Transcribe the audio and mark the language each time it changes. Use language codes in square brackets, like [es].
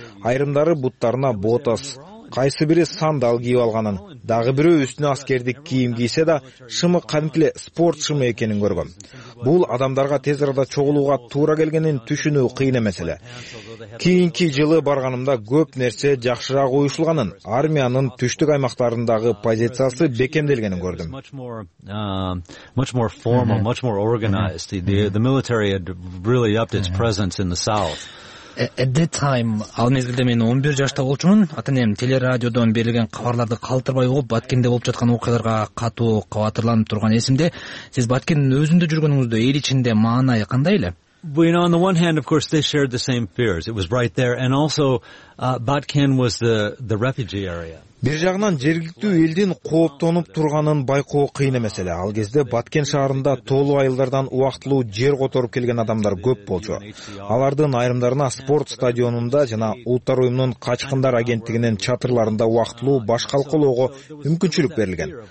[ky] Айрымдары буттарына ботас, кайсы бири сандал кийип алганын, дагы бирөө үстүнө аскердик кийим кийсе да шымы кадимки эле спорт шымы экенин көргөм. Бул адамдарга тез арада чогулууга туура келгенин түшүнүү кыйын эмес эле. Кийинки жылы барганымда көп нерсе жакшыраак уюшулганын, армиянын түштүк аймактарындагы позициясы бекемделгенин көрдүм. [en] Much more formal, much more organized. The military had really upped its presence in the south. At that time, [ky] ал мезгилде мен 11 жашта болчумун. Ата-энем телерадиодон берилген кабарларды калтырбай угуп, Баткенде болуп жаткан окуяларга катуу кабатырланып турган эсимде. Сиз Баткендин өзүндө жүргөнүңүздө эл ичинде маанай кандай эле? [en] On the one hand, of course, they shared the same fears. It was right there, and also Batken was the refugee area. [ky] Бир жагынан жергиликтүү элдин кооптонуп турганын байкоо кыйын эмес эле. Ал кезде Баткен шаарында тоолуу айылдардан убактылуу жер которуп келген адамдар көп болчу. Алардын айрымдарына спорт стадионунда жана Улуттар уюмунун качкындар агенттигинин чатырларында убактылуу башкалкалоого мүмкүнчүлүк берилген.